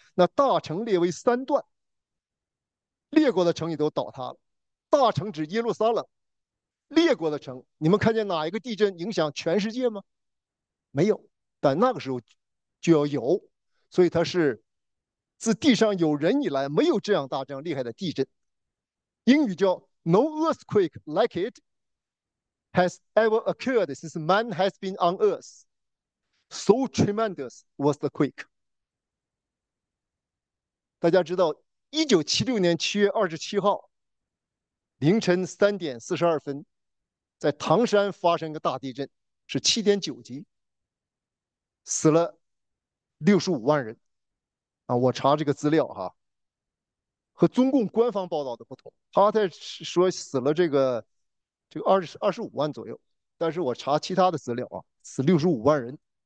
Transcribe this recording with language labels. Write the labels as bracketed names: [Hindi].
[Chinese] 那大城列为三段，列国的城也都倒塌了。大城指耶路撒冷，列国的城，你们看见哪一个地震影响全世界吗？没有。但那个时候就要有，所以它是自地上有人以来没有这样大、这样厉害的地震。英语叫 [English] "No earthquake like it has ever occurred since man has been on earth. So tremendous was the quake." [Chinese] 大家知道，1976年7月27号凌晨3点42分，在唐山发生一个大地震，是7.9级。死了65万人，我查这个资料哈，和中共官方报道的不同，他在说死了这个25万左右，但是我查其他的资料啊，死65万人。